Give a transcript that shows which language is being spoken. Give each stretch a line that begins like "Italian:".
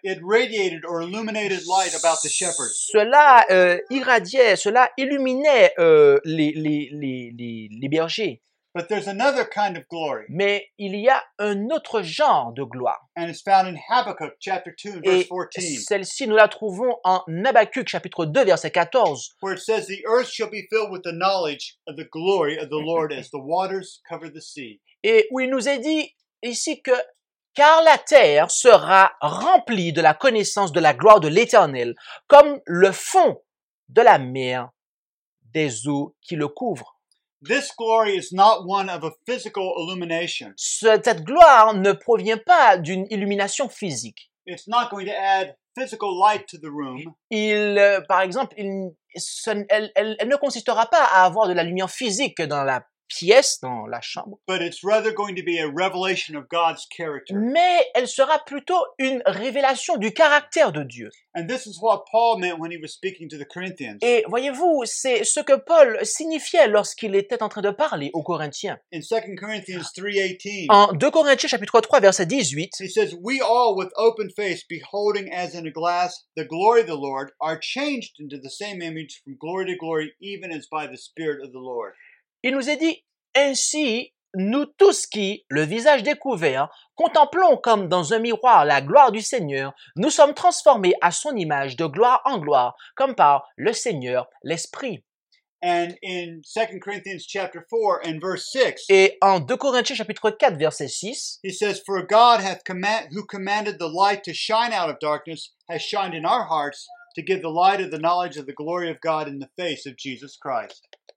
English: It radiated or illuminated light about the shepherds.
French: Cela irradiait, cela illuminait les bergers.
English: But there's another kind of glory.
French: Mais il y a un autre genre de gloire.
English: And it's found in Habakkuk chapter 2 verse 14.
French: Et celle-ci nous la trouvons en Habakkuk chapitre 2 verset 14.
English: Where it says the earth shall be filled with the knowledge of the glory of the Lord as the waters cover the sea.
French: Et où il nous est dit ici que car la terre sera remplie de la connaissance de la gloire de l'Éternel comme le fond de la mer des eaux qui le couvrent.
English: This glory is not one of a physical illumination.
French: Cette gloire ne provient pas d'une illumination physique.
English: It's not going to add physical light to the room.
French: Par exemple, elle ne consistera pas à avoir de la lumière physique dans la pièce dans la chambre.
English: But it's rather going to be a revelation of God's character.
French: Mais elle sera plutôt une révélation du caractère de Dieu.
English: And this is what Paul meant when he was speaking to the Corinthians.
French: Et voyez-vous, c'est ce que Paul signifiait lorsqu'il était en train de parler aux Corinthiens.
English: In 2 Corinthians 3:18.
French: En 2 Corinthiens chapitre 3 verset 18.
English: He says, "We all with open face beholding as in a glass the glory of the Lord are changed into the same image from glory to glory even as by the Spirit of the Lord."
French: Il nous est dit, ainsi, nous tous qui, le visage découvert, contemplons comme dans un miroir la gloire du Seigneur, nous sommes transformés à son image de gloire en gloire, comme par le Seigneur, l'Esprit.
English: And in 2 Corinthians chapter 4 and verse 6.
French: Et en 2 Corinthiens chapitre 4 verset 6.
English: He says, "For God hath who commanded the light to shine out of darkness has shined in our hearts to give the light of the knowledge of the glory of God in the face of Jesus Christ."